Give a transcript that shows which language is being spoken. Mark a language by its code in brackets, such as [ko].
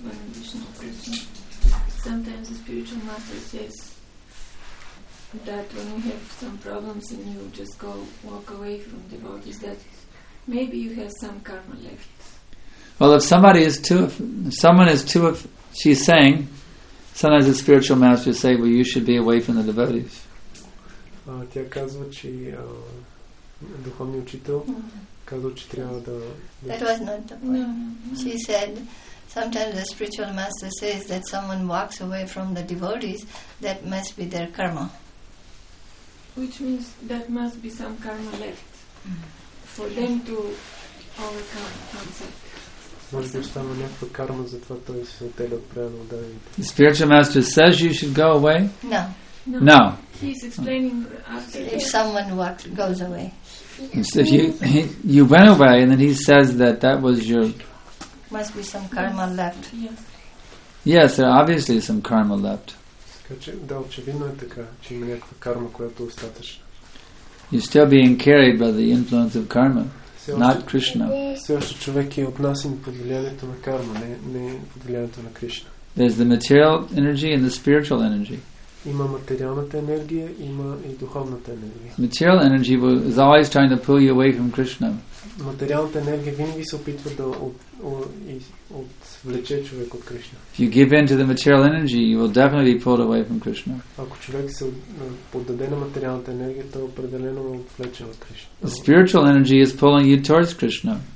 [en] Sometimes the spiritual master says that when you have some problems and you just go walk away from devotees, that maybe you have some karma left. Well, if someone is too, she's saying, sometimes the spiritual masters say, well, you should be away from the devotees. [bg] Тя казва, че духовният учител казва, че трябва да... [en] That was not the point. No. She said, sometimes the spiritual master says that someone walks away from the devotees, that must be their karma. Which means that must be some karma left for them to overcome themselves. [bg] Може би остава някаква карма, затова той се отделя от правилно даените. [en] The spiritual master says you should go away? No. No. He's explaining after if someone goes away. So you went away and then he says that was your... Must be some karma left. Yes, there obviously is some karma left. [bg] Да, очевидно е така, че има някаква карма, която остатъч. [en] You're still being carried by the influence of karma. Not Krishna. [bg] Все още човек е отнасен под влиянието на карма, не под влиянието на Кришна. [en] There's the material energy and the spiritual energy. [bg] Има материалната енергия, има и духовната енергия. [en] Material energy is always trying to pull you away from Krishna. [bg] Материалната енергия винаги се опитва да отвлече човек от Кришна. [en] If you give in to the material energy, you will definitely be pulled away from Krishna. [bg] Ако човек се поддаде на материалната енергия, то определено е отвлечен от Кришна. [en] The spiritual energy is pulling you towards Krishna.